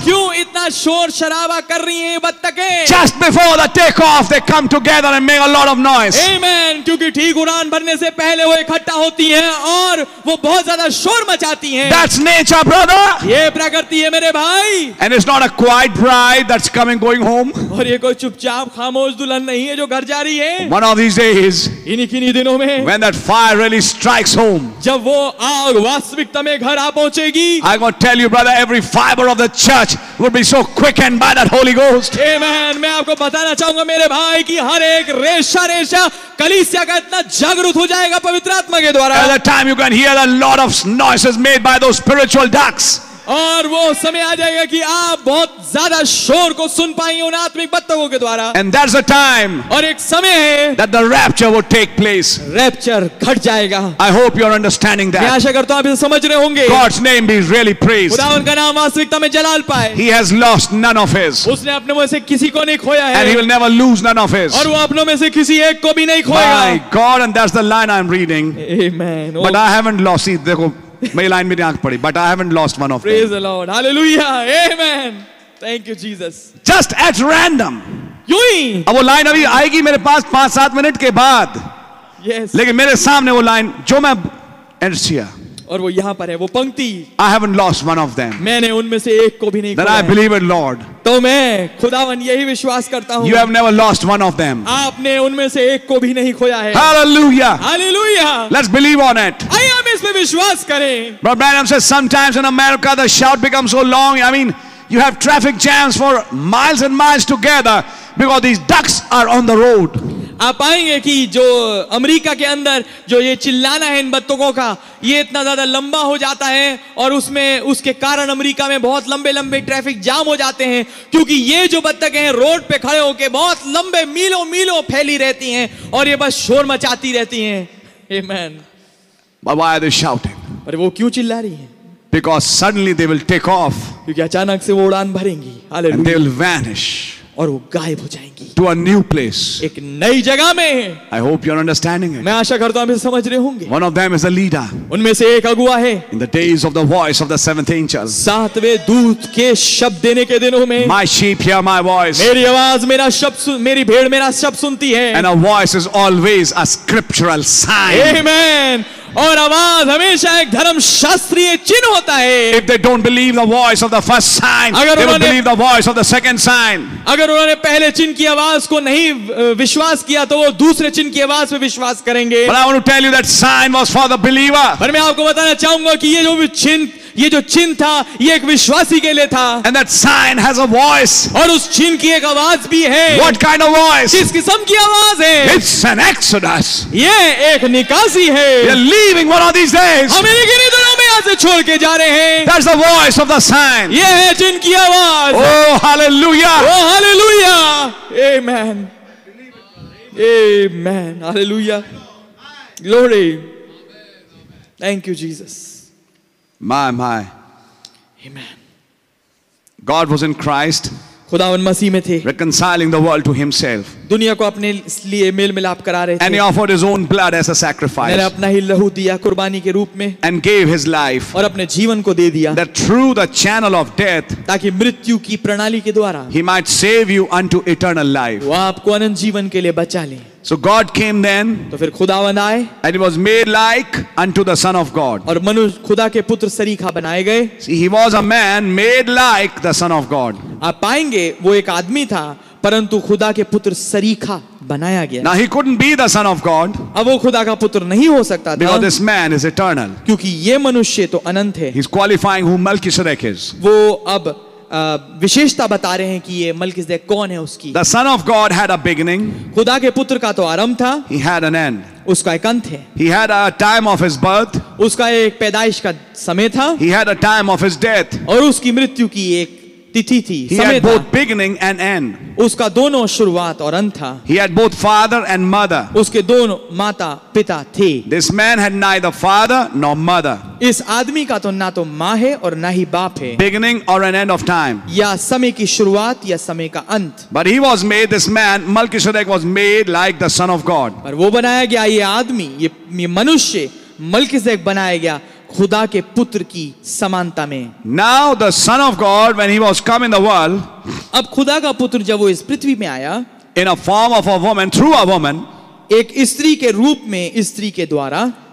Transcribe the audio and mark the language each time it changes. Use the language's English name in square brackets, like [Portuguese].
[Hindi] क्यों इतना शोर शराबा कर रही हैं बत्तखें [English] Just before the take off, they come together and make a lot of noise. Amen. [Hindi] क्योंकि ठीक उड़ान भरने से पहले वो इकट्ठा होती हैं और वो बहुत ज्यादा शोर मचाती हैं [English] That's nature, brother. [Hindi] ये प्रकृति है मेरे भाई [English] And it's not a quiet bride that's coming going home. [Hindi] और ये कोई चुपचाप खामोश दुल्हन नहीं है जो घर जा रही है [English] One of these days, [Hindi] इन्हीं दिनों में [English] When that fire really strikes [Hindi] जब वो आग वास्तविकता में घर आ पहुंचेगी [English] I want to tell you brother every fiber of the church would be so quickened by that holy ghost [Hindi] amen मैं आपको बताना चाहूंगा मेरे भाई कि हर एक रेशा कलीसिया का इतना जागृत हो जाएगा पवित्र आत्मा के द्वारा [English] at the time you can hear a lot of noises made by those spiritual ducks [Hindi] और वो समय आ जाएगा कि आप बहुत ज्यादा शोर को सुन पाएंगे उन आत्मिक बत्तखों के द्वारा [English] and that's a time [Hindi] और एक समय है [English] that the rapture will take place [Hindi] rapture घट जाएगा [English] I hope you are understanding that [Hindi] मैं आशा करता हूं आप इसे समझ रहे होंगे [English] God's name be really praised [Hindi] खुदा उनका नाम वास्तविकता में जलाल पाए [English] he has lost none of his [Hindi] उसने अपने में से किसी को नहीं खोया है [English] and he will never lose none of his [Hindi] और वो अपनों में से किसी एक को भी नहीं खोएगा [English] my God and that's the line I am reading amen but I haven't lost it [Hindi] देखो मेरी लाइन मेरी आंख पड़ी [English] but I haven't lost one of praise the Lord hallelujah amen thank you Jesus just at random [Hindi] यूं ही अब वो line अभी आएगी मेरे पास 5-7 मिनट के बाद [English] yes [Hindi] लेकिन मेरे सामने वो लाइन जो मैं एंटर किया और वो यहां पर है वो पंक्ति [English] I haven't lost one of them [Hindi] मैंने उनमें से एक को भी नहीं खोया [English] I believe in Lord [Hindi] तो मैं खुदावन यही विश्वास करता हूं [English] you have never lost one of them [Hindi] आपने उनमें से एक को भी नहीं खोया है [English] hallelujah hallelujah let's believe on it [Hindi] विश्वास करें [English] But Branham says sometimes in America the shout becomes so long I mean you have traffic jams for miles and miles together because these ducks are on the road [Hindi] आप पाएंगे कि जो America के अंदर जो ये चिल्लाना है इन बत्तखों का ये इतना ज्यादा लंबा हो जाता है और उसमें उसके कारण अमेरिका में बहुत लंबे लंबे ट्रैफिक जाम हो जाते हैं क्योंकि ये जो बत्तखें हैं रोड पे खड़े होकर बहुत लंबे मीलों फैली रहती हैं और ये बस शोर मचाती रहती हैं आमेन [English] But why are they shouting? [Hindi] पर वो क्यों चिल्ला रही हैं? [English] Because suddenly they will take off. [Hindi] क्योंकि अचानक से वो उड़ान भरेंगी. [English] And they will vanish. [Hindi] और वो गायब हो जाएंगी. [English] To a new place. [Hindi] एक नई जगह में. [English] I hope you are understanding it. [Hindi] मैं आशा करता हूँ आप समझ रहे होंगे. [English] One of them is a leader. [Hindi] उनमें से एक अगुआ है. [English] In the days of the voice of the seventh angel. [Hindi] सातवें दूत के शब्द देने के दिनों में. [English] My sheep hear my voice. [Hindi] मेरी आवाज मेरा शब्द मेरी भेड़ मेरा शब्द सुनती है. [English] And a voice is always a scriptural sign. Amen. [Hindi] और आवाज हमेशा एक धर्मशास्त्रीय चिन्ह होता है. [English] If they don't believe the voice of the first sign, they will believe the voice of the second sign. [Hindi] अगर उन्होंने पहले चिन्ह की आवाज को नहीं विश्वास किया तो वो दूसरे चिन्ह की आवाज पे विश्वास करेंगे. [English] But I want to tell you that sign was for the believer. [Hindi] पर मैं आपको बताना चाहूंगा कि ये जो भी चिन्ह था ये एक विश्वासी के लिए था. [English] And that sign has a voice. [Hindi] और उस चिन्ह की एक आवाज भी है. [English] What kind of voice? [Hindi] किस किस्म की आवाज है? [English] It's an exodus. [Hindi] ये एक निकासी है. [English] We are leaving one of these days. [Hindi] हम एक ही दिनों में यहाँ से छोड़ के जा रहे हैं. [English] That's the voice of the sign. [Hindi] ये है चिन्ह की आवाज. [English] Oh hallelujah. Oh hallelujah. Amen. Amen. Hallelujah. Glory. Thank you Jesus. My. Amen. God was in Christ. [Hindi] खुदावन मसीह में थे. [English] Reconciling the world to himself. [Hindi] दुनिया को अपने लिए मेल मिलाप करा रहे थे. [English] And he offered his own blood as a sacrifice. [Hindi] मैंने अपना ही लहू दिया कुर्बानी के रूप में. [English] And gave his life. [Hindi] और अपने जीवन को दे दिया. [English] That through the channel of death. [Hindi] ताकि मृत्यु की प्रणाली के द्वारा. [English] He might save you unto eternal life. [Hindi] वो आपको अनंत जीवन के लिए बचा ले. [English] So God came then. [Hindi] तो फिर खुदावन आए. [English] And he was made like unto the Son of God. [Hindi] और मनुष्य खुदा के पुत्र सरीखा बनाए गए. [English] See, he was a man made like the Son of God. [Hindi] आप पाएंगे वो एक आदमी था परंतु खुदा के पुत्र सरीखा बनाया गया. [English] Now he couldn't be the Son of God. [Hindi] अब वो खुदा का पुत्र नहीं हो सकता था. [English] Because this man is eternal. [Hindi] क्योंकि ये मनुष्य तो अनंत है. [English] He's qualifying who Melchizedek is. [Hindi] वो अब विशेषता बता रहे हैं कि ये मलकिसदेक कौन है उसकी. [English] The son of God had a beginning. [Hindi] खुदा के पुत्र का तो आरंभ था. [English] He had an end. [Hindi] उसका एक अंत है. [English] He had a time of his birth. [Hindi] उसका एक पैदाइश का समय था. [English] He had a time of his death. [Hindi] और उसकी मृत्यु की एक तिथि थी. [English] He had both beginning and end. [Hindi] उसका दोनों शुरुआत और अंत था. [English] He had both father and mother. [Hindi] उसके दोनों माता पिता थे. [English] This man had neither father nor mother. [Hindi] इस आदमी का तो ना तो माँ है और ना ही बाप है. [English] Beginning और an end of time. [Hindi] या समय की शुरुआत या समय का अंत. [English] But he was made this man Melchizedek was made like the son of God. [Hindi] पर वो बनाया गया ये आदमी ये मनुष्य मलकिसदेक बनाया गया खुदा के पुत्र की समानता में. [English] Now the Son of God, when he was come in the world, [Hindi] अब खुदा का पुत्र जब वो इस पृथ्वी में आया, [English] in a form of a woman, through a woman, [Hindi] एक स्त्री के रूप में स्त्री के द्वारा,